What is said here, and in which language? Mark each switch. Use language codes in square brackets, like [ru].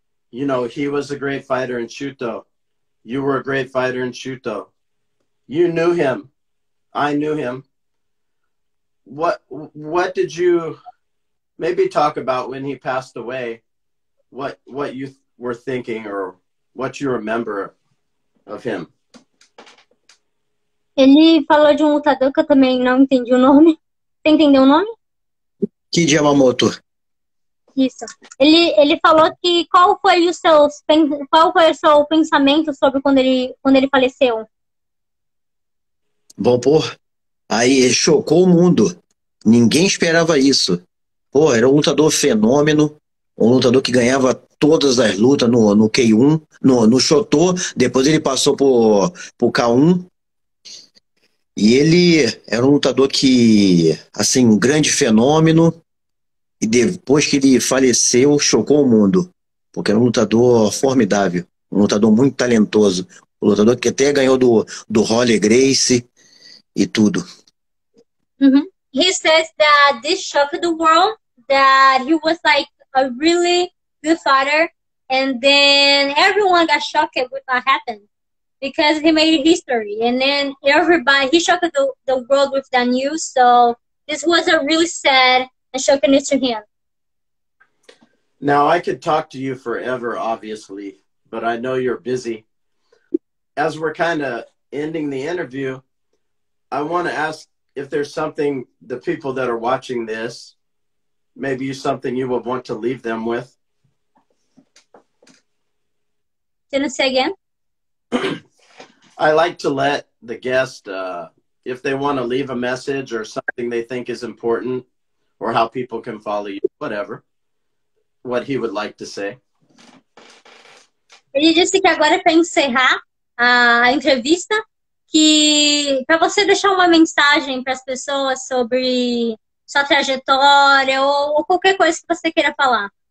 [en] You know, he was a great fighter in Shooto. You were a great fighter in Shooto. You knew him. I knew him. What did you maybe talk about when he passed away, what you were thinking or what you remember of him? [pt] Ele falou de um lutador que eu também não entendi o nome. Você entendeu o nome? Kid Yamamoto. Isso. Ele falou que qual foi o seu pensamento sobre quando ele faleceu? Bom, pô, aí chocou o mundo. Ninguém esperava isso. Pô, era um lutador fenômeno, um lutador que ganhava todas as lutas no K1, no Shotô. Depois ele passou pro K1. E ele era um lutador que, assim, um grande fenômeno. E depois que ele faleceu, chocou o mundo. Porque era um lutador formidável, um lutador muito talentoso. Um lutador que até ganhou do Holly Gracie e tudo. [en] He says that this shocked the world, that he was like a really good fighter, and then everyone got shocked with what happened because he made history, and then everybody, he shocked the world with that news. So this was a really sad and shocking news to him. Now, I could talk to you forever, obviously, but I know you're busy. As we're kind of ending the interview, I want to ask if there's something the people that are watching this, maybe something you would want to leave them with. Can you say again? Like to let the guest, if they want to leave a message or something they think is important or how people can follow you, whatever. What he would like to say. [pt] Ele disse que agora para encerrar a entrevista, que para você deixar uma mensagem para as pessoas sobre sua trajetória ou qualquer coisa que você queira falar.